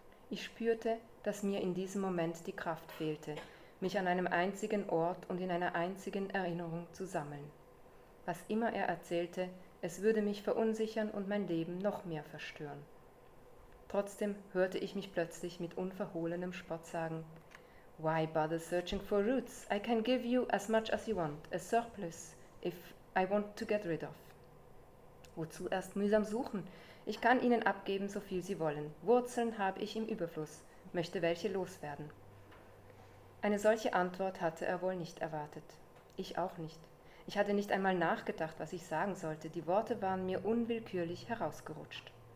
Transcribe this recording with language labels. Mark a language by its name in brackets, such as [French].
[German] Ich spürte, dass mir in diesem Moment die Kraft fehlte, mich an einem einzigen Ort und in einer einzigen Erinnerung zu sammeln. Was immer er erzählte, es würde mich verunsichern und mein Leben noch mehr verstören. Trotzdem hörte ich mich plötzlich mit unverhohlenem Spott sagen, [English] "Why bother searching for roots? I can give you as much as you want, a surplus, if I want to get rid of." [German] Wozu erst mühsam suchen? Ich kann ihnen abgeben, so viel sie wollen. Wurzeln habe ich im Überfluss, möchte welche loswerden. Eine solche Antwort hatte er wohl nicht erwartet. Ich auch nicht. Ich hatte nicht einmal nachgedacht, was ich sagen sollte. Die Worte waren mir unwillkürlich herausgerutscht.